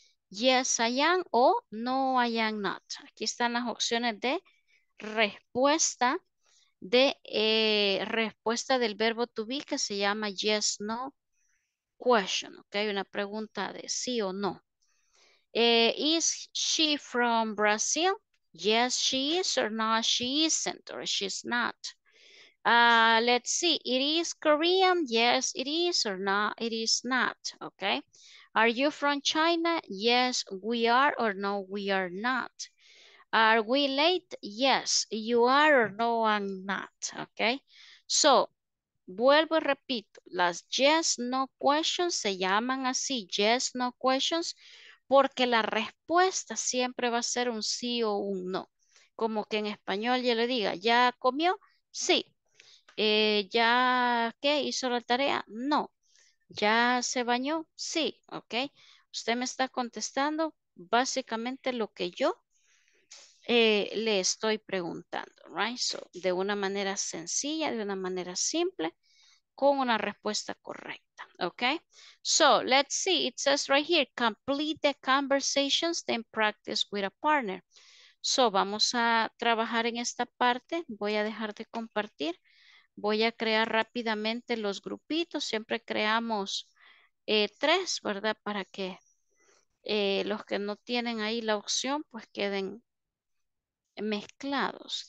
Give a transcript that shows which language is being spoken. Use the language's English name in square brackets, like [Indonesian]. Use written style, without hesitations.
[English] Yes, I am, o no, I am not. [Spanish] Aquí están las opciones de respuesta. De respuesta del verbo to be que se llama yes, no question, ok, una pregunta de sí o no. [English] Is she from Brazil? Yes, she is, or no, she isn't, or she's not. Let's see, it is Korean? Yes, it is, or no, it is not, ok. Are you from China? Yes, we are, or no, we are not. Are we late? Yes, you are, or no, I'm not, okay? [Spanish] So, vuelvo y repito, las yes, no questions se llaman así, yes, no questions, porque la respuesta siempre va a ser un sí o un no. Como que en español yo le diga, ¿ya comió? Sí. ¿Ya qué? ¿Hizo la tarea? No. ¿Ya se bañó? Sí, okay. Usted me está contestando básicamente lo que yo le estoy preguntando, [English] right? [Spanish] So, de una manera sencilla, de una manera simple, con una respuesta correcta, okay? [English] So, let's see, it says right here, complete the conversations, then practice with a partner. [Spanish] So, vamos a trabajar en esta parte, voy a dejar de compartir, voy a crear rápidamente los grupitos, siempre creamos tres, ¿verdad? Para que los que no tienen ahí la opción, pues queden mezclados.